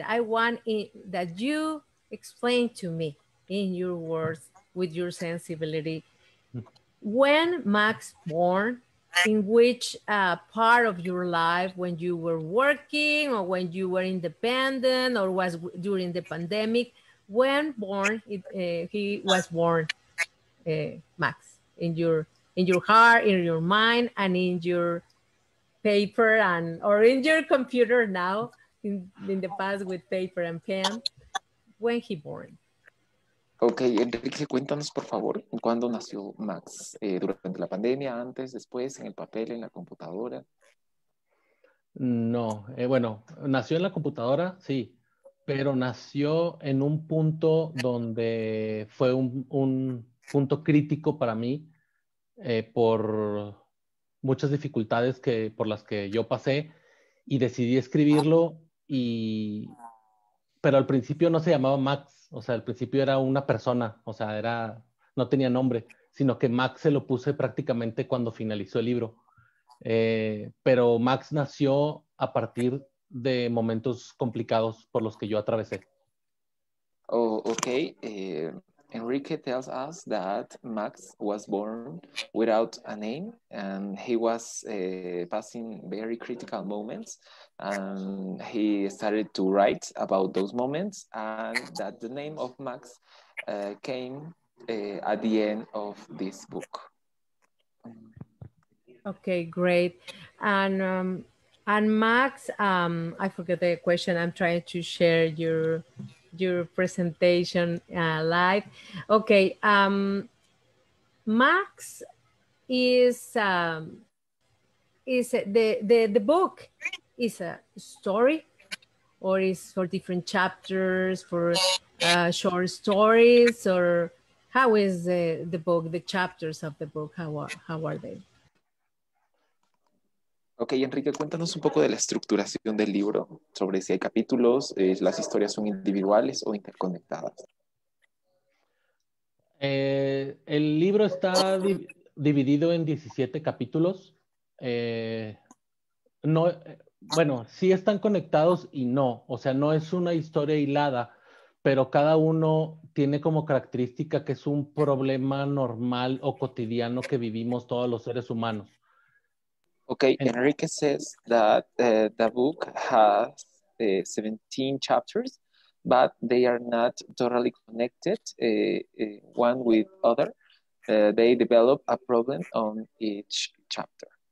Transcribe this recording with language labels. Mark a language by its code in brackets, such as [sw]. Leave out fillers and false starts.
[en] I want that you explain to me in your words, with your sensibility, when Max born, in which part of your life, when you were working or when you were independent or was during the pandemic, when born, he was born, Max, in your in your heart, in your mind, and in your paper and or in your computer now, in the past with paper and pen. When he born? [es] Okay, Enrique, cuéntanos por favor, ¿cuándo nació Max? ¿Durante la pandemia, antes, después, en el papel, en la computadora? No, bueno, nació en la computadora, sí, pero nació en un punto donde fue un punto crítico para mí por muchas dificultades que, por las que yo pasé y decidí escribirlo y... Pero al principio no se llamaba Max, o sea, al principio era una persona, o sea, era, no tenía nombre, sino que Max se lo puse prácticamente cuando finalizó el libro. Pero Max nació a partir de momentos complicados por los que yo atravesé. [en] Oh, okay. Enrique tells us that Max was born without a name and he was passing very critical moments. And he started to write about those moments and that the name of Max came at the end of this book. Okay, great. And Max, I forget the question. I'm trying to share your presentation live. Okay, Max is the book is a story, or is for different chapters, for short stories, or how is the book, the chapters of the book, how are they? [es] Okay, Enrique, cuéntanos un poco de la estructuración del libro, sobre si hay capítulos, las historias son individuales o interconectadas. El libro está dividido en 17 capítulos. Bueno, sí están conectados y no. O sea, no es una historia hilada, pero cada uno tiene como característica que es un problema normal o cotidiano que vivimos todos los seres humanos. [en] Okay, Enrique says that the book has 17 chapters, but they are not totally connected one with other. They develop a problem on each chapter.